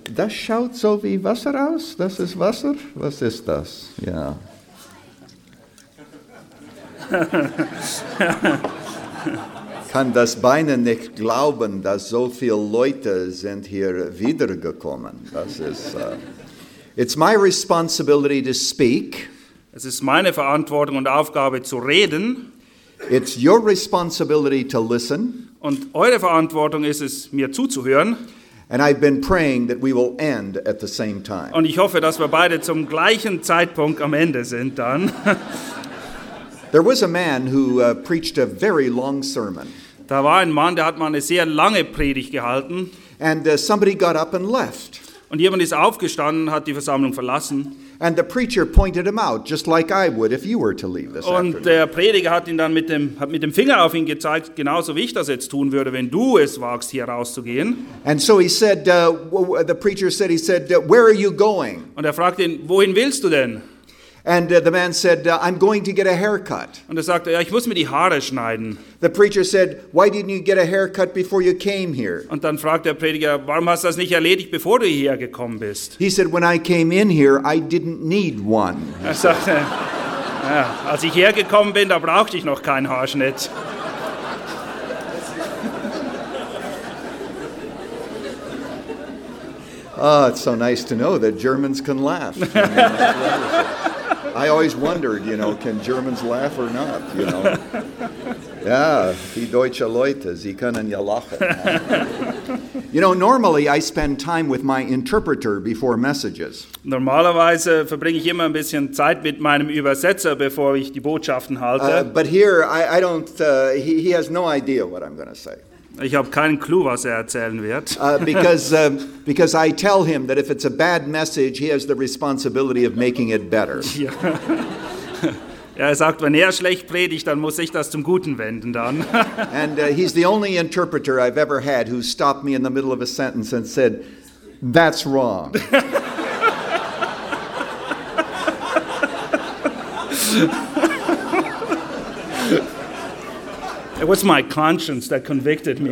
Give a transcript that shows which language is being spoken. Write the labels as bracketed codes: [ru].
[de] Das schaut so wie Wasser aus. Das ist Wasser. Was ist das? Ja. Kann das Beine nicht glauben, dass so viele Leute sind hier wiedergekommen. Das ist. [en] It's my responsibility to speak. [de] Es ist meine Verantwortung und Aufgabe zu reden. [en] It's your responsibility to listen. [de] Und eure Verantwortung ist es, mir zuzuhören. [en] And I've been praying that we will end at the same time. [de] Und ich hoffe, dass wir beide zum gleichen Zeitpunkt am Ende sind dann. [en] There was a man who preached a very long sermon. [de] Da war ein Mann, der hat mal eine sehr lange Predigt gehalten. [en] And somebody got up and left. [de] Und jemand ist aufgestanden, hat die Versammlung verlassen. [en] And the preacher pointed him out, just like I would if you were to leave this [de] afternoon. Und der Prediger hat ihn dann mit dem Finger auf ihn gezeigt, genauso wie ich das jetzt tun würde, wenn du es wagst, hier rauszugehen. [en] And so he said, the preacher said, he said, where are you going? [de] Und er fragte ihn, wohin willst du denn? [en] And the man said, I'm going to get a haircut. [de] Und er sagte, ja, ich muss mir die Haare schneiden. [en] The preacher said, why didn't you get a haircut before you came here? [de] Und dann fragt der Prediger, warum hast du das nicht erledigt, bevor du hierher gekommen bist? [en] He said, when I came in here, I didn't need one. [de] Er sagte, ja, als ich hergekommen bin, da brauchte ich noch keinen Haarschnitt. [en] Oh, it's so nice to know that Germans can laugh. I always wondered, you know, can Germans laugh or not, you know? [de] Yeah, die deutsche Leute, sie können ja lachen. [en] You know, normally I spend time with my interpreter before messages. [de] Normalerweise verbringe ich immer ein bisschen Zeit mit meinem Übersetzer, bevor ich die Botschaften halte. [en] But here, I don't, he has no idea what I'm going to say. [de] Ich habe keinen Clou, was er erzählen wird. [en] Because I tell him that if it's a bad message, he has the responsibility of making it better. [de] Ja. Er sagt, wenn er schlecht predigt, dann muss ich das zum Guten wenden dann. [en] And he's the only interpreter I've ever had who stopped me in the middle of a sentence and said, that's wrong. It was my conscience that convicted me.